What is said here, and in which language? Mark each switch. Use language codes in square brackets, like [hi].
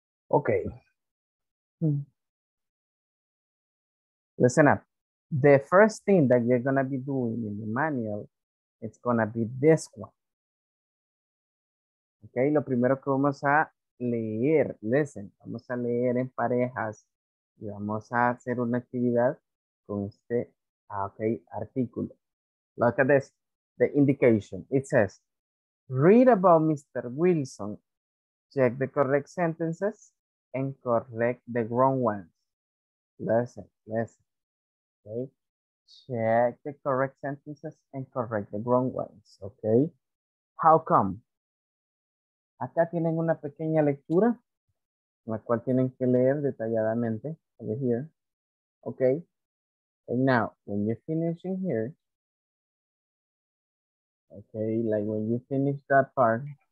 [en] Okay. Listen up. The first thing that you're gonna be doing in the manual, it's gonna be this one. [es] Okay, lo primero que vamos a leer, [en] listen, [es] vamos a leer en parejas. Y vamos a hacer una actividad con este, okay, artículo. [en] Look at this, the indication. It says, read about Mr. Wilson. Check the correct sentences and correct the wrong ones. Listen, listen, okay? Check the correct sentences and correct the wrong ones, okay? How come? [es] Acá tienen una pequeña lectura, la cual tienen que leer detalladamente. [en] Over here. Okay. And now, when you finish in here, okay, like when you finish that part.